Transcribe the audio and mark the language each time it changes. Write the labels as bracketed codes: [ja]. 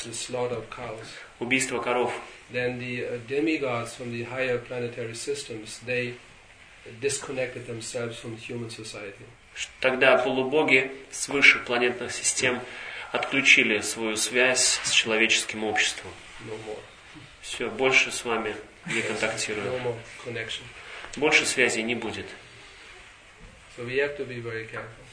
[en] the slaughter of cows, [ru] убийство коров, [en] then the demigods from the higher planetary systems, they disconnected themselves from human society. [ru] Тогда полубоги с высших планетных систем отключили свою связь с человеческим обществом. [en] No more. [ru] Все, больше с вами не контактирую. [en] No more connection. [ru] Больше связи не будет. [en] So we have to be very careful.